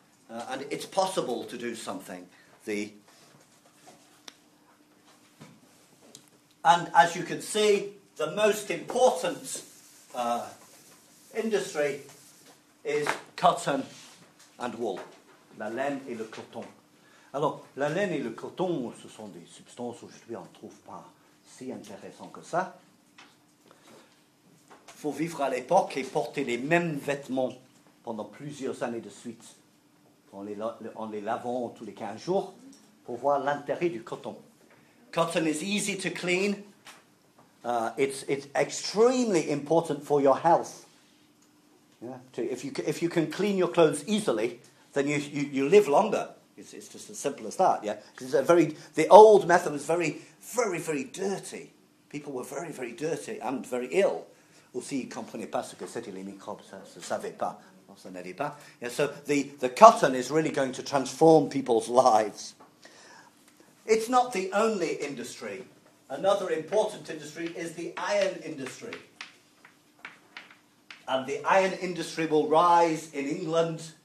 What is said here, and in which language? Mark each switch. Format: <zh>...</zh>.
<en>And it's possible to do something. And as you can see, the most important industry is cotton and wool.</en> <fr>La laine et le coton. Alors, la laine et le coton, ce sont des substances aujourd'hui on ne trouve pas si intéressant que ça. Il faut vivre à l'époque et porter les mêmes vêtements pendant plusieurs années de suite. On les lavant tous les 15 jours pour voir l'intérêt du coton.</fr> <en>Cotton is easy to clean. It's extremely important for your health. If you can clean your clothes easily, then you live longer. It's just as simple as that. Yeah, because the old method was very very very dirty. People were very very dirty and very ill.</en> <fr>Aussi, ils comprenaient pas ce que c'était les microbes. Ça ne savait pas.</fr> <en>Yeah, so the cotton is really going to transform people's lives. It's not the only industry. Another important industry is the iron industry. And the iron industry will rise in England.</en>